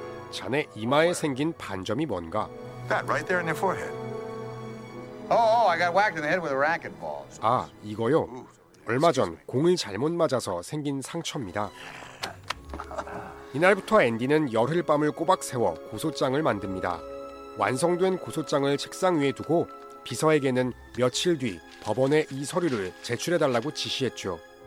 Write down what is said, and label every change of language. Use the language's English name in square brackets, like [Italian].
[Korean] 자네 이마에 생긴 반점이 뭔가? [English] That right there on your forehead. Oh, oh, I got whacked in the head with a racquetball. [Korean] 아, 이거요. 얼마 전 공을 잘못 맞아서 생긴 상처입니다. 이날부터 앤디는 열흘 밤을 꼬박 세워 고소장을 만듭니다. 완성된 고소장을 책상 위에 두고 비서에게는 며칠 뒤 법원에 이 서류를 제출해달라고 지시했죠.